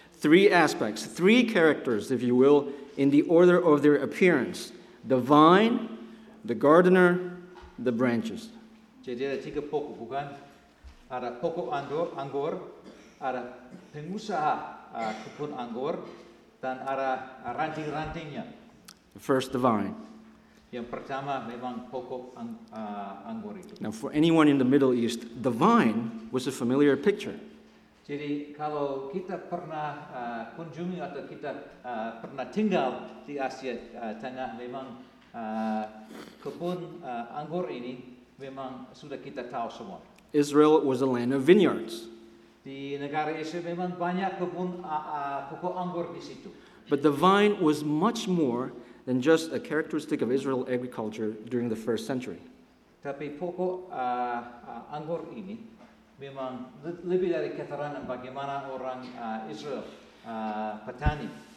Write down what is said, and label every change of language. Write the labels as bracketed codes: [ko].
[en] Three aspects, three characters, if you will, in the order of their appearance: the vine, the gardener, the branches. [id] Jadi ada tiga pokok, bukan? Ada pokok anggur, ada pengusaha kebun anggur, dan ada ranting-rantingnya. [en] First, the vine. [id] Yang pertama memang pokok anggur itu. [en] Now, for anyone in the Middle East, the vine was a familiar picture. [id] Jadi kalau kita pernah kunjungi atau kita pernah tinggal di Asia Tengah, memang kebun anggur ini memang sudah kita tahu semua. [en] Israel was a land of vineyards. [id] Di negara Israel memang banyak kebun pokok anggur di situ. [en] But the vine was much more than just a characteristic of Israel agriculture during the first century. [id] Tapi pokok anggur ini memang lebih dari keterangan bagaimana orang Israel petani.